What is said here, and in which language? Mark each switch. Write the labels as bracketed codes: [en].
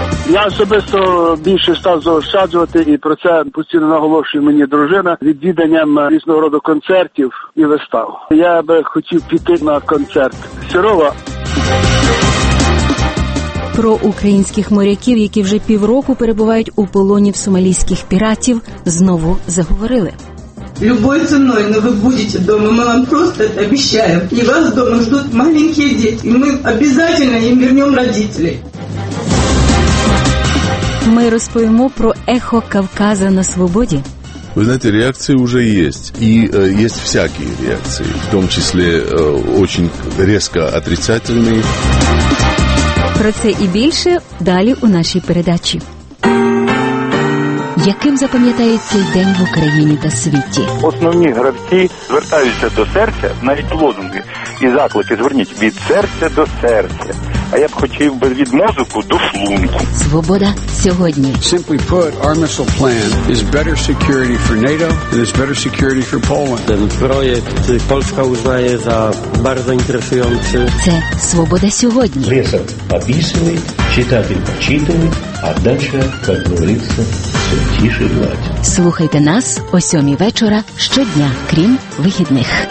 [uk] Я особисто більше став заощаджувати, і про це постійно наголошує мені дружина, відвіданням різного роду концертів і вистав. Я би хотів піти на концерт Сірова. Про українських моряків, які вже півроку перебувають у полоні в сомалійських піратів, знову заговорили. [ru] Любой ценой, но вы будете дома, мы вам просто это обещаем. И вас дома ждут маленькие дети, и мы обязательно им вернем родителей. [uk] Ми розповімо про ехо Кавказа на свободі. Ви знаєте, реакції вже є. І є всякі реакції, в тому числі дуже різко отрицательні. Про це і більше далі у нашій передачі. Яким запам'ятається день в Україні та світі? Основні гравці звертаються до серця, навіть лозунги і заклики, зверніть, від серця до серця. А я б хотів би від мозку до шлунку. Свобода сьогодні. [en] Simply put, our missile plan is better security for NATO and it's better security for Poland. [uk] Цей проєкт Польща визнає за дуже інтересуючий. Це «Свобода сьогодні». Лесок обісений, читатель почитаний, а дальше, як говориться, суть. нашій владі. Слухайте нас о 7 вечора щодня, крім вихідних.